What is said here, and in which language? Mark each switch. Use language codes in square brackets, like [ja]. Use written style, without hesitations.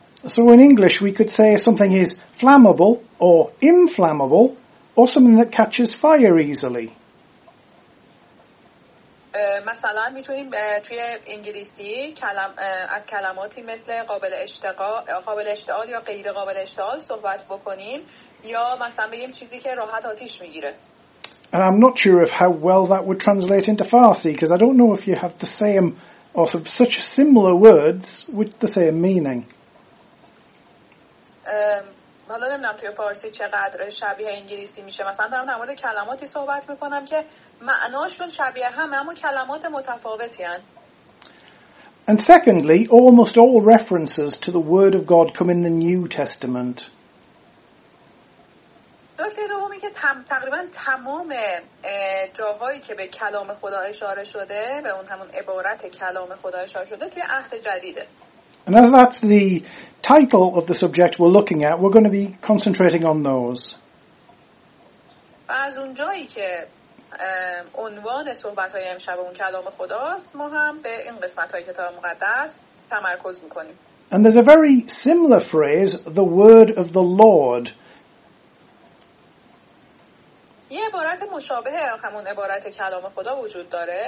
[en] So in English we could say something is flammable or inflammable or something that catches fire easily. [fa] مثلا میتونیم توی انگلیسی از کلماتی مثل قابل اشتعال یا غیر قابل اشتعال صحبت بکنیم، یا مثلا بگیم چیزی که راحت آتیش میگیره. [en] And I'm not sure of how well that would translate into Farsi, because I don't know if you have the same or sort of such similar words with the same meaning. [fa] حالا نمیدونم توی فارسی چقدر شبیه انگلیسی میشه. مثلا دارم در مورد کلماتی صحبت میکنم که معناشون شبیه هم، اما کلمات متفاوتی هن. [en] And secondly, almost all references to the word of God come in the New Testament. [fa] نکته دومی که تقریبا تمام جاهایی که به کلام خدا اشاره شده، به اون همون عبارت کلام خدا اشاره شده، توی عهد جدیده. [en] And as that's the title of the subject we're looking at, we're going to be concentrating on those. [fa] از اونجایی که عنوان صحبت‌های امشب اون کلام خداست، ما هم به این قسمت‌های کتاب مقدس تمرکز می‌کنیم. [en] And there's a very similar phrase, the word of the Lord. [fa] یه عبارت مشابه همون عبارت کلام خدا وجود داره.